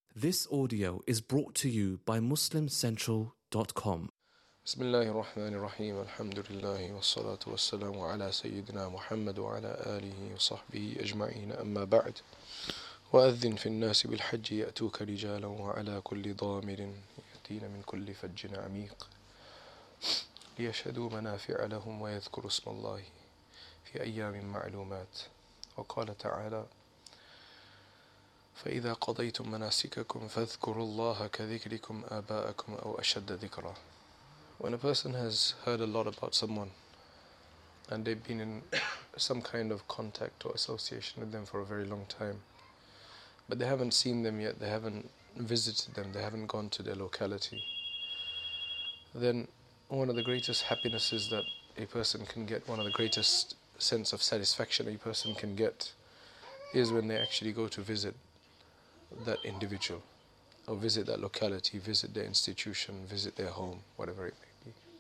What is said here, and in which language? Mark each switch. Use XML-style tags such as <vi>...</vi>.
<en>This audio is brought to you by MuslimCentral.com.</en> <ar>بسم الله الرحمن الرحيم الحمد لله والصلاة والسلام على سيدنا محمد وعلى آله وصحبه أجمعين أما بعد وأذن في الناس بالحج يأتوك رجالا وعلى كل ضامر يأتين من كل فج عميق ليشهدوا منافع لهم ويذكروا اسم الله في أيام معلومات وقال تعالى فإذا قضيتم مناسككم فاذكروا الله كذكركم آباءكم أو أشد ذكرا.</ar> <en>When a person has heard a lot about someone and they've been in some kind of contact or association with them for a very long time, but they haven't seen them yet, they haven't visited them, they haven't gone to their locality, then one of the greatest happinesses that a person can get, one of the greatest sense of satisfaction a person can get, is when they actually go to visit that individual, or visit that locality, visit their institution, visit their home, whatever it may be.</en>